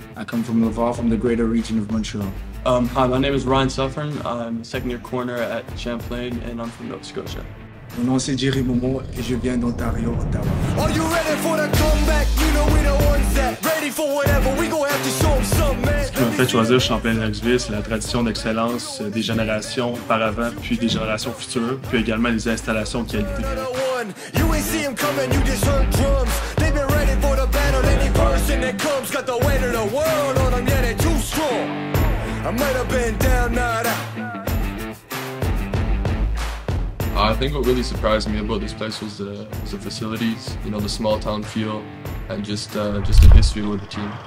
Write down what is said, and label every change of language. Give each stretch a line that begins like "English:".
English: I come from Laval, from the greater region of Montreal. Hi, my name is Ryan Suffern. I'm a second-year corner at Champlain, and I'm from Nova Scotia.
French: Mon nom c'est Jerry Momo et je viens d'Ontario, Ottawa.
English: Are you ready for the comeback? You know we don't want that. Ready for whatever, we gonna have to show them something, man.
French: Je me fais choisir Champlain-Lennoxville, c'est la tradition d'excellence des générations par avant, puis des générations futures, puis également les installations de qualité.
English: You ain't see them coming, you just heard drums. They've been ready for the battle, any person that comes got the weight of the world on them, yeah, they're too strong. I might have been down, not out. I think what really surprised me about this place was the facilities, you know, the small town feel, and just the history with the team.